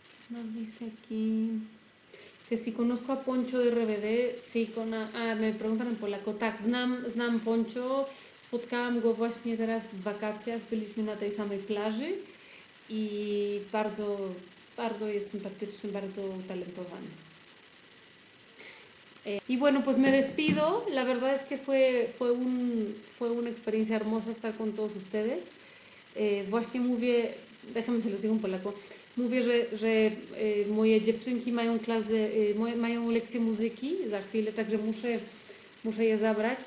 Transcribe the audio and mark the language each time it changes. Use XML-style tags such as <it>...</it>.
<es>Nos dice aquí que si conozco a Poncho de RBD. Sí, me preguntan en polaco.</es> <pl>Tak, znam Poncho. Spotkałam go właśnie teraz w wakacjach. Byliśmy na tej samej plaży. I bardzo, bardzo jest sympatyczny, bardzo talentowany.</pl> <es>Y bueno, pues me despido. La verdad es que fue una experiencia hermosa estar con todos ustedes.</es> <pl>Właśnie mówię,</pl> <es>déjame se los digo en polaco,</es> <pl>mówię, że moje dziewczynki mają mają lekcje muzyki za chwilę, także muszę je zabrać.</pl>